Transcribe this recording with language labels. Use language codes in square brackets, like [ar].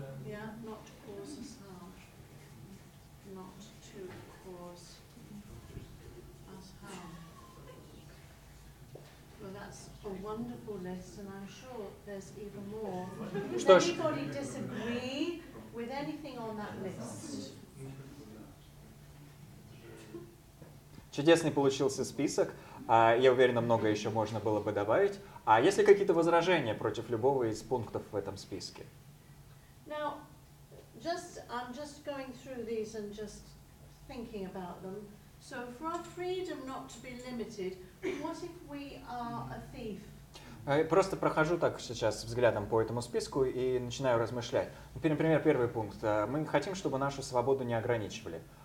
[en] Yeah, not to cause us harm. Not to cause us harm. Well, that's a wonderful list, and I'm sure there's even more. Does anybody disagree with anything on that list? [ru] Чудесный получился список. Я уверена, много еще можно было бы добавить. А есть ли какие-то возражения против любого из пунктов в этом списке? [en] Now, just, I'm just going through these and just thinking about them. So, for our freedom not to be limited, what if we are a thief? [ru] Просто прохожу так сейчас взглядом по этому списку и начинаю размышлять. Например, первый пункт. Мы хотим, чтобы нашу свободу не ограничивали.